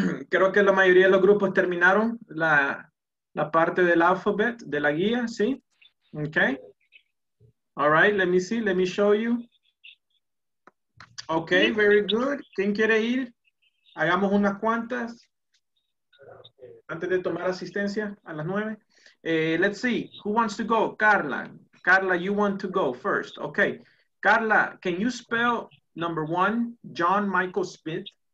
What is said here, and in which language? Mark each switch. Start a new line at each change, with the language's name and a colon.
Spanish: Creo que la mayoría de los grupos terminaron la parte del alphabet, de la guía, ¿sí?
English: Ok. All right, let me see, let me show you. Ok, very good.
Spanish: ¿Quién quiere ir? Hagamos unas cuantas antes de tomar asistencia a las 9.
English: Let's see, who wants to go? Carla. Carla, you want to go first. Ok. Carla, can you spell number one, John Michael Smith?